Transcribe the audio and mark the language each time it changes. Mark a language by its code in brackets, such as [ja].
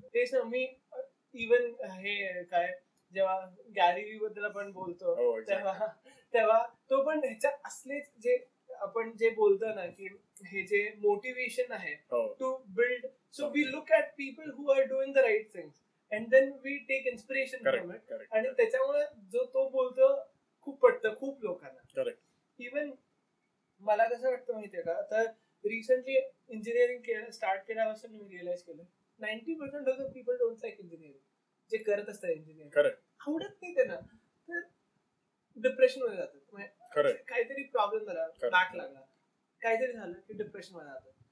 [mr] तेच ना मी even हे काय जेव्हा गॅरी वी बद्दल आपण बोलतो तेव्हा तो पण ह्याच्या असलेच जे आपण जे बोलतो ना की हे जे मोटिवेशन आहे to build. [en] So we look at people who are doing the right thing and then we take inspiration from it. [mr] आणि त्याच्यामुळे जो तो बोलतो खूप पटतं खूप लोकांना. इवन मला कसं वाटतं माहितीये का आता रिसेंटली इंजिनिअरिंग स्टार्ट केल्यापासून मी रिअलाइज केलं [en] 90% of the people don't like engineering [mr] जे करत असतात इंजिनिअरिंग आवडत नाही त्यांना तर डिप्रेशन मध्ये जातात काहीतरी प्रॉब्लेम झाला बॅक लागला काहीतरी झालं की डिप्रेशन मध्ये जातो.